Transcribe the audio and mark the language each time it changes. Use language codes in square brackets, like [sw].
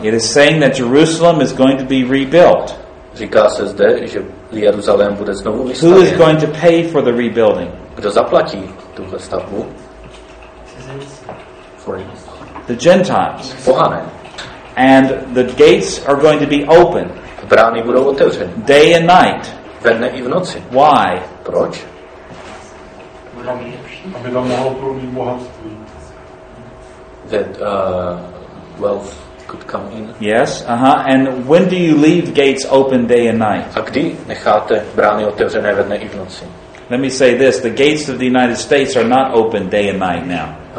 [en] It is saying that Jerusalem is going to be rebuilt. [cs] Říká se zde, že Jeruzalém bude znovu vystavěn. [en] Who is going to pay for the rebuilding? [cs] Kdo zaplatí tuhle stavbu? [en] The Gentiles. [cs] Pohané. [en] And the gates are going to be open. [cs] Brány budou otevřeny. [en] Day and night. [cs] Ve dne i v noci. [en] Why? [cs] Proč? Aby tam mohlo proudit bohatství. [en] That wealth could come in. Yes, uh-huh. And when do you leave gates open day and night? [cs] A kdy necháte brány otevřené ve dne i v noci? [en] Let me say this, the gates of the United States are not open day and night now.